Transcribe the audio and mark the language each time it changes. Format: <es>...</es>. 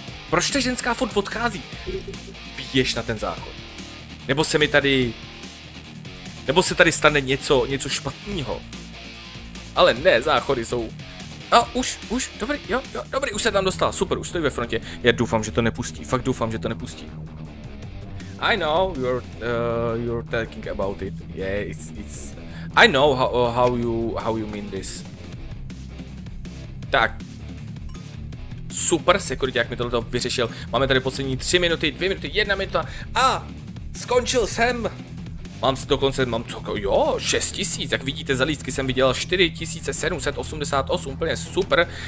<cs>Proč ta ženská furt odchází? Běž na ten záchod. Nebo se tady stane něco špatného. Ale ne, záchody jsou... A už, dobrý, jo, dobrý, už se tam dostal, super, už stojí ve frontě. Já doufám, že to nepustí, fakt doufám, že to nepustí.</cs> <en>I know you're talking about it. Yeah, it's... I know how you mean this.</en> <cs>Tak. Super security, jak mi tohle vyřešil. Máme tady poslední 3 minuty, 2 minuty, 1 minuta a skončil jsem. Mám si dokonce, mám to, jo, 6 tisíc, jak vidíte, za lístky jsem vydělal 4788, úplně super.</cs>